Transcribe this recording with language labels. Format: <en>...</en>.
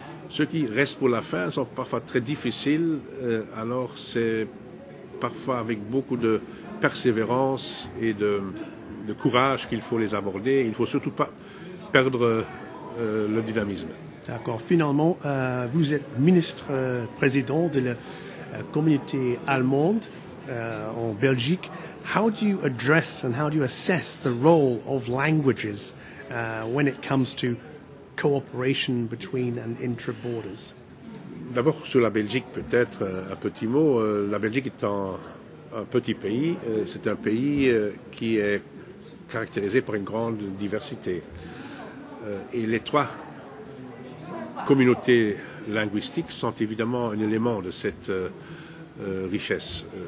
<fr>Ceux qui restent pour la fin sont parfois très difficiles. Alors, c'est parfois avec beaucoup de persévérance et de courage qu'il faut les aborder. Il ne faut surtout pas perdre le dynamisme. D'accord. Finalement, vous êtes ministre-président de la communauté allemande en Belgique.</fr> <en>How do you address and how do you assess the role of languages when it comes to cooperation between and intra-borders?</en> <fr>D'abord, sur la Belgique, peut-être un petit mot. La Belgique étant un petit pays, c'est un pays qui est caractérisé par une grande diversité. Et les trois communautés linguistiques sont évidemment un élément de cette richesse.</fr>